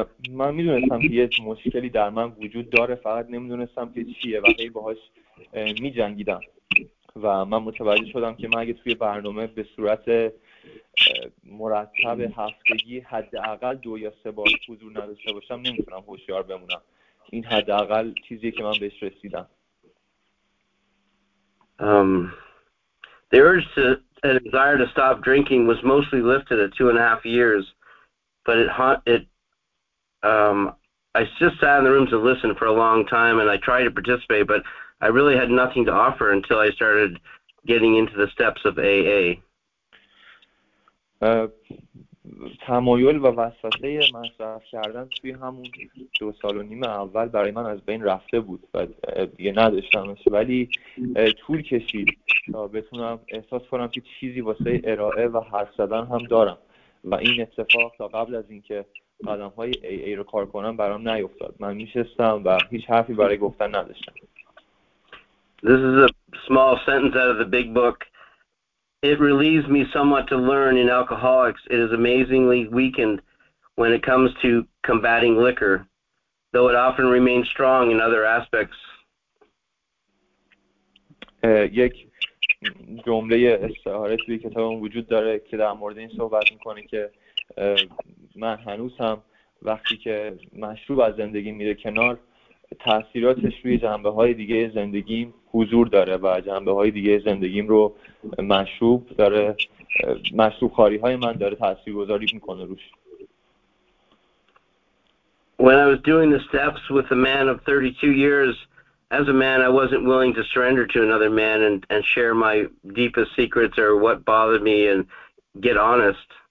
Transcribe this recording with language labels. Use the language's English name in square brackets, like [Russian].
[Persian] من میدونستم که یه مشکلی در من وجود داره، فقط نمیدونستم که چیه و هی باهاش میجنگیدم. و من متوجه شدم که من اگه توی برنامه به صورت مرتب هفتگی حداقل 2 یا 3 بار حضور نداشته باشم نمیتونم هوشیار بمونم. این حداقل چیزیه که من بهش رسیدم. [English] The desire to stop drinking was mostly lifted at 2.5 years, but I just sat in the room to listen for a long time, and I tried to participate, but I really had nothing to offer until I started getting into the steps of AA. [Persian] تمایل و وسوسه مصرف کردن توی همون 2.5 سال اول برای من از بین رفته بود و دیگه نداشتمش، ولی طول کشید تا بتونم احساس کنم که چیزی واسه ارائه و حرف زدن هم دارم، و این اتفاق تا قبل از اینکه قدم های AA رو کار کنم برام نیفتاد. من میشستم و هیچ حرفی برای گفتن نداشتم. [English] This is a small sentence out of the big book. It relieves me somewhat to learn in alcoholics it is amazingly weakened when it comes to combating liquor, though it often remains strong in other aspects. [Persian] یک جمله استعاره توی کتابم وجود داره که در مورد این صحبت میکنه که من هنوز هم وقتی که مشروب از زندگی میره کنار، تأثیراتش روی جنبه های دیگه زندگیم حضور داره و جنبه های دیگه زندگیم رو مشروب داره، مشروب خاری های من داره تأثیر گذاری میکنه روش. [English] When I was doing the steps with a man of 32 years, as a man I wasn't willing to surrender to another man and share my deepest secrets or what bothered me and get honest.